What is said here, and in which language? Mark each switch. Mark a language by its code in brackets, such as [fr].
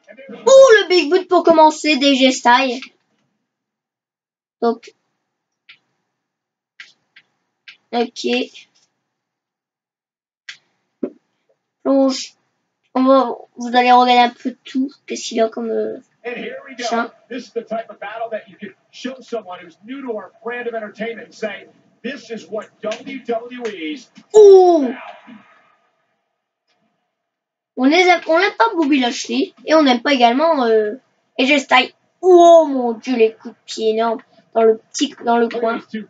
[fr] Ouh, le big boot pour commencer, DG Style. Donc. Ok. Plonge. On va, vous allez regarder un peu tout, qu'est-ce qu'il y a comme chien. [en] This is the type of battle that you can show someone who's new to our brand of entertainment and say, this is what WWE's. Ouh! [fr] On n'aime pas Bobby Lashley et on n'aime pas également AJ Styles. Oh mon dieu, les coups de pied énormes dans le petit, dans le coin.